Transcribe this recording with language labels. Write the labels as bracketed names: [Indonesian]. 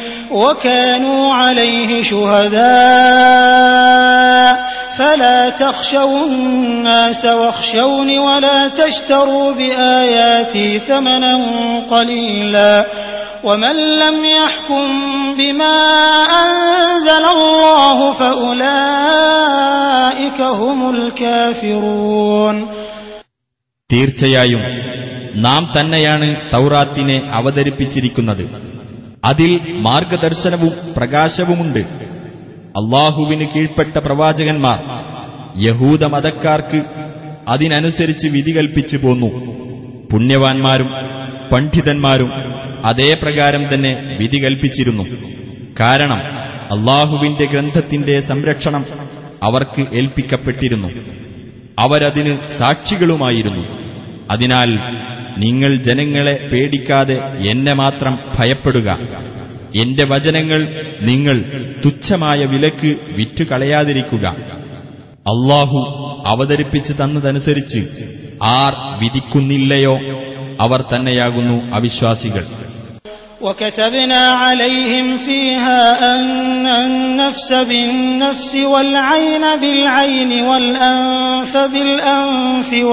[Arabic] وكانوا عليه شهداء فلا تخشوا الناس واخشوني ولا تشتروا بآياتي ثمنا قليلا ومن لم يحكم بما أنزل الله فأولئك هم الكافرون. [Malayalam] തീർച്ചയായും നാം തന്നെയാണ് തൗറാത്തിനെ അവതരിപ്പിച്ചിരിക്കുന്നത്. അതിൽ മാർഗദർശനവും പ്രകാശവുമുണ്ട്. അല്ലാഹുവിന് കീഴ്പ്പെട്ട പ്രവാചകന്മാർ യഹൂദ മതക്കാർക്ക് അതിനനുസരിച്ച് വിധി കൽപ്പിച്ചു പോന്നു. പുണ്യവാന്മാരും പണ്ഡിതന്മാരും അതേപ്രകാരം തന്നെ വിധി കൽപ്പിച്ചിരുന്നു. കാരണം അല്ലാഹുവിന്റെ ഗ്രന്ഥത്തിന്റെ സംരക്ഷണം അവർക്ക് ഏൽപ്പിക്കപ്പെട്ടിരുന്നു. അവരതിന് സാക്ഷികളുമായിരുന്നു. അതിനാൽ നിങ്ങൾ ജനങ്ങളെ പേടിക്കാതെ എന്നെ മാത്രം ഭയപ്പെടുക. എന്റെ വചനങ്ങൾ നിങ്ങൾ തുച്ഛമായ വിലക്ക് വിറ്റുകളയാതിരിക്കുക. അല്ലാഹു അവതരിപ്പിച്ചു തന്നതനുസരിച്ച് ആർ വിധിക്കുന്നില്ലയോ അവർ തന്നെയാകുന്നു അവിശ്വാസികൾ. [Arabic] وكتبنا عليهم فيها أن النفس بالنفس والعين بالعين والأنف بالأنف